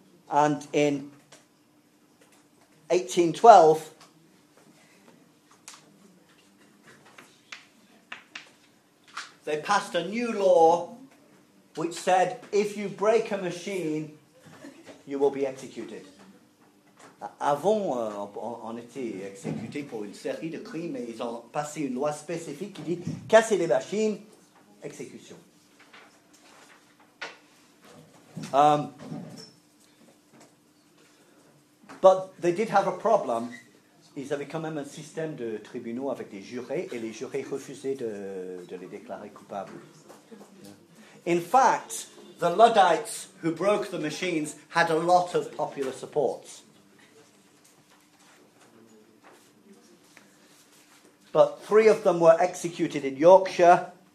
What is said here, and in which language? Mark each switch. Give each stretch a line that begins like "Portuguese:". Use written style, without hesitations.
English: And in 1812, they passed a new law which said, if you break a machine, you will be executed.
French: Avant, on était exécuté pour une série de crimes, mais ils ont passé une loi spécifique qui dit, casser les machines, exécution.
English: But they did have a problem.
French: ils avaient quand même un système de tribunaux avec des jurés, et les jurés refusaient de les déclarer coupables.
English: In fact, the Luddites who broke the machines had a lot of popular support. But three of them were executed in Yorkshire.